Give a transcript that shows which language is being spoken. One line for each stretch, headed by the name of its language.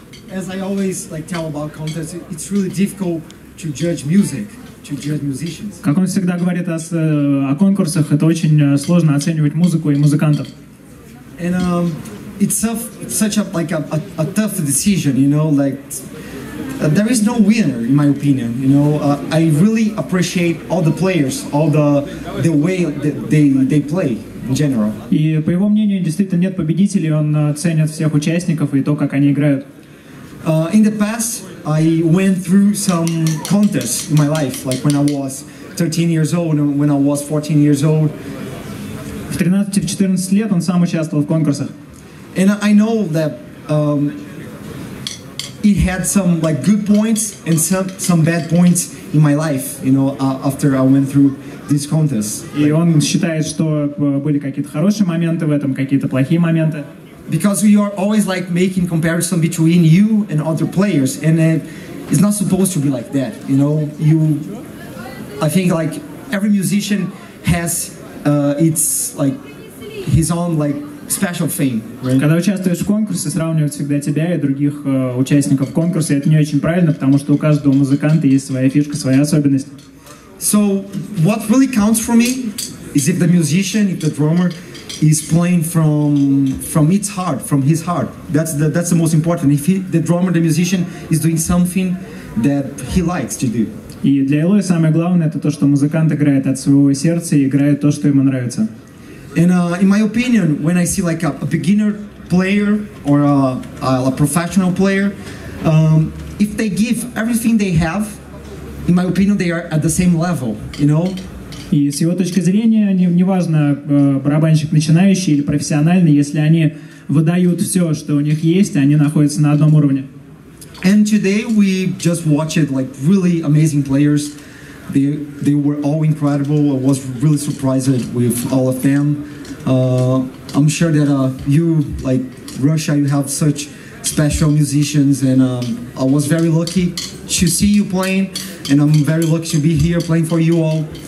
English: As I always like tell about contests, it's really difficult to judge music.
Russian: Как он всегда говорит о конкурсах, это очень сложно оценивать музыку и музыкантов.
English: And it's such a like a tough decision, you know, like there is no winner in my opinion, you know. I really appreciate all the players, all the way that they play in general.
Russian: И по его мнению, действительно нет победителей, он ценит всех участников и то, как они играют.
English: In the past, I went through some contests in my life, like when I was 13 years old and when I was 14 years old.
Russian: В 13-14 лет он сам участвовал в конкурсах.
English: And I know that it had some like good points and some bad points in my life, you know, after I went through these contests.
Russian: И он считает, что были какие-то хорошие моменты в этом, какие-то плохие моменты.
English: Because we are always like making comparison between you and other players, and it's not supposed to be like that, you know. I think like every musician has its like his own like special fame. Right?
Russian: Когда участвуешь в конкурсе, сравнивают всегда тебя и других участников конкурса, это не очень правильно, потому что у каждого музыканта есть своя фишка, своя особенность.
English: So what really counts for me is if the musician, if the drummer. He's playing from its heart, from his heart. That's the most important. If the drummer, the musician, is doing something that he likes to do.
Russian: И для Элоя самое главное это то, что музыкант играет от своего сердца и играет то, что ему нравится.
English: And in my opinion, when I see like a beginner player or a professional player, if they give everything they have, in my opinion, they are at the same level. You know.
Russian: И с его точки зрения, неважно, барабанщик начинающий или профессиональный, если они выдают все, что у них есть, они находятся на одном уровне.
English: And today we just watched like really amazing players. They were all incredible. I was really surprised with all of them. I'm sure that you, like Russia, you have such special musicians, and I was very lucky to see you playing, and I'm very lucky to be here playing for you all.